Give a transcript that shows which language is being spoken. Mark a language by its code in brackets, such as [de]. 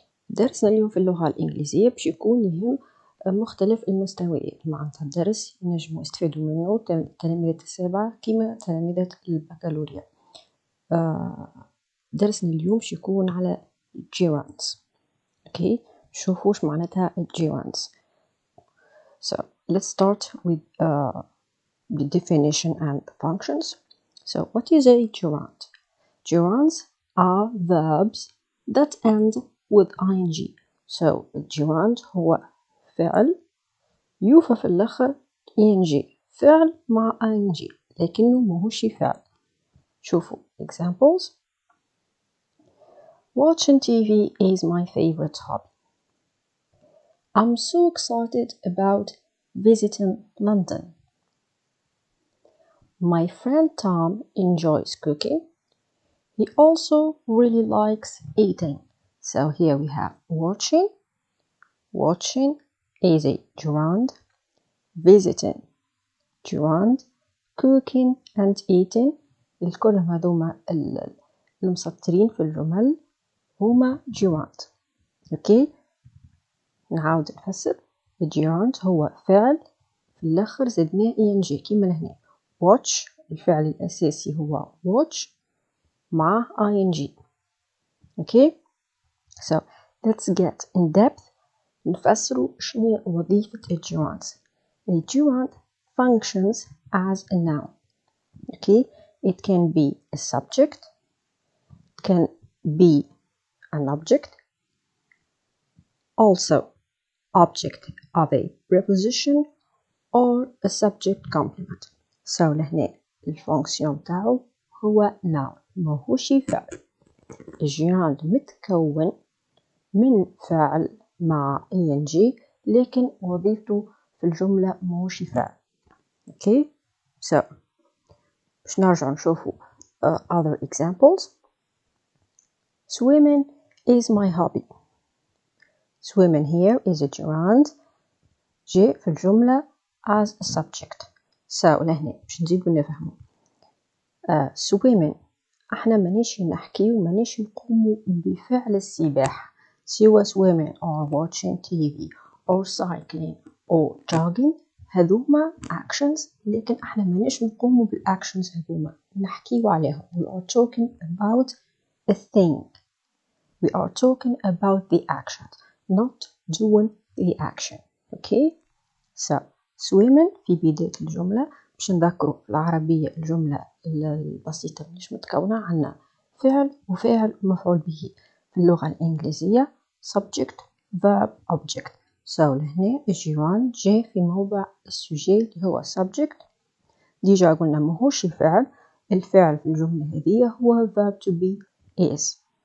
[ar] درسنا اليوم في اللغة الإنجليزية باش يكون يهم مختلف المستويات، معناتها الدرس نجمو يستفادوا منه تلاميذ السابعة كما تلاميذ البكالوريا. درسنا اليوم باش يكون على Gerunds. اوكي، شوفوا واش معناتها Gerunds. [en] So let's start with the definition and the functions. So what is a gerund? Gerunds are verbs that end with ing. [ar] So gerund هو فعل يوفى في الاخر ing، فعل مع ing لكنه ماهوش فعل. شوفوا [en] examples. Watching TV is my favorite hobby. I'm so excited about visiting London. My friend Tom enjoys cooking. He also really likes eating. So here we have watching. Watching is a gerund. Visiting, gerund. Cooking and eating. [ar] الكل هذوما المسطرين في الجمل هما gerund. Okay. نعاود نفسر. gerund هو فعل في الاخر زدنا ing كيما هنا. Watch الفعل الاساسي هو watch مع ing. [en] Okay. So let's get in depth. [ar] نفسروا شنو وظيفة gerund. [en] A gerund functions as a noun. Okay. It can be a subject. It can be an object. Also object of a preposition or a subject complement. [ar] So لهنا الفونكسيون تاعو هو noun ماهوش فعل. الجيراند متكون من فعل مع ing لكن وظيفته في الجملة ماهوش فعل. [en] Okay. [ar] So باش نرجع نشوفو [en] other examples. Swimming is my hobby. Swimming here is a gerund. [ar] J في الجملة [en] as a subject. [ar] So لهنا باش نزيدو نفهمو. Swimming احنا مانيش نحكي ومانيش نقومو بفعل السباحة، سوى [en] swimming or watching TV or cycling or jogging [ar] هذوما actions، لكن احنا مانيش نقومو بالactions هذوما، نحكيو عليهم. [en] We are talking about a thing. We are talking about the action, not doing the action. Okay? [ar] So, swimming في بداية الجملة. باش نذكروا العربية الجملة البسيطة مش متكونة، عنا فعل وفاعل ومفعول به. في اللغة الإنجليزية [en] subject, verb, object. [ar] So, لهنا جيران جي في موضع السوجي اللي هو subject. ديجا قلنا مهوش الفعل. الفعل في الجملة هذه هو [en] verb to be is.